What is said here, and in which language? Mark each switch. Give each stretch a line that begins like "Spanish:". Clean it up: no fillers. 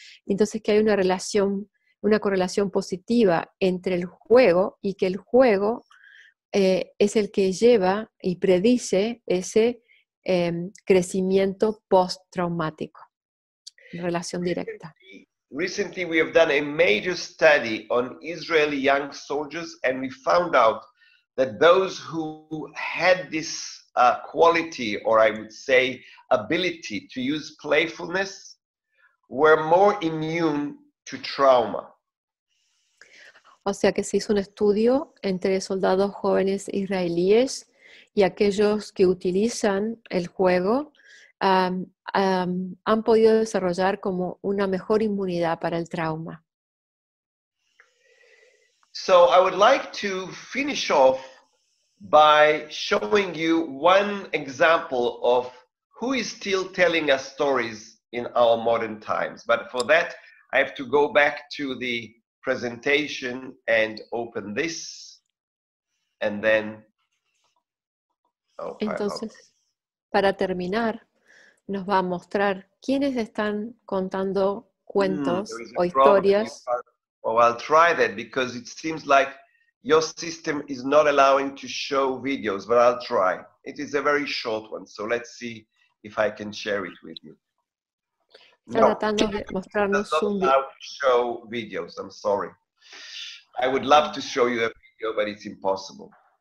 Spanish: Entonces que hay una correlación positiva entre el juego y que el juego es el que lleva y predice ese crecimiento post-traumático, relación directa.
English: Recently, we have done a major study on Israeli young soldiers, and we found out that those who had this quality, or I would say ability, to use playfulness were more immune to trauma.
Spanish: O sea que se hizo un estudio entre soldados jóvenes israelíes y aquellos que utilizan el juego. Han podido desarrollar como una mejor inmunidad para el trauma.
English: So I would like to finish off by showing you one example of who is still telling us stories in our modern times. But for that, I have to go back to the presentation and open this, and then...
Spanish: Oh, entonces, para terminar, nos va a mostrar quiénes están contando cuentos o historias.
English: Well, I'll try that because it seems like your system is not allowing to show videos, but I'll try. It is a very short one, so let's see if I can share it with you.
Spanish: Tratando de mostrarnos un video.
English: No, it does not allow to show videos, I'm sorry. I would love to show you a video, but it's impossible.